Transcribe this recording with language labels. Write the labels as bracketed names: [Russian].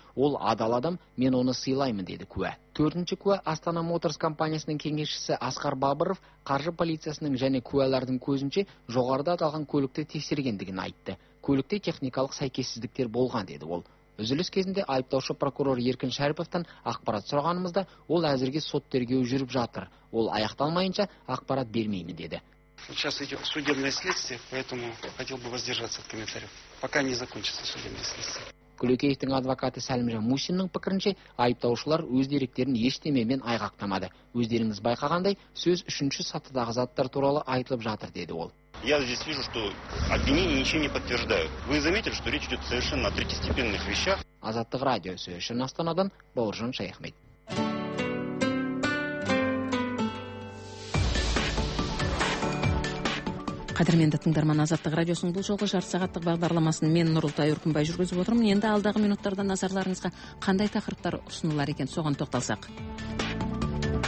[Kazakh] Ол адал адам, мен оны сыйлаймын, деді куә. Төртінші куә Астана Моторс компаниясының кеңесшісі Асқар Бабыров қаржы полициясының және куәлардың көзінше жоғарыда аталған көлікті тексергендігін айтты. Көлікте техникалық сәйкессіздіктер болған, деді ол. Үзіліс кезінде айыптаушы прокурор Еркін Шәріповтан ақпарат сұрағанымызда, ол әзірге сот тергеу жүріп жатыр. Ол аяқталмайынша ақпарат бермеймін, деді. [Russian] Сейчас идет судебное следствие, поэтому хотел бы воздержаться от комментариев, пока не закончится судебное следствие. [Kazakh] Күлекеевтің адвокаты Сәлімжан Мусиннің пікірінше, айыптаушылар өз деректерін ештемемен айғақтамады. Өздеріңіз байқағандай, сөз үшінші сатыдағы заттар туралы айтылып жатыр, деді ол. [Russian] Я здесь вижу, что обвинения ничего не подтверждают. Вы заметили, что речь идет совершенно о третьестепенных вещах? [Kazakh] Азаттық радиосы үшін Астанадан Бауыржан Шайхмет. Қадірменді тыңдарман, Азаттық радиосының бұл жолғы жарты сағаттық бағдарламасын мен Нұрлытай Үркімбай жүргізіп отырмын. Енді алдағы минуттарда назарларыңызға қандай тақырыптар ұсынылар екен, соған тоқталсақ.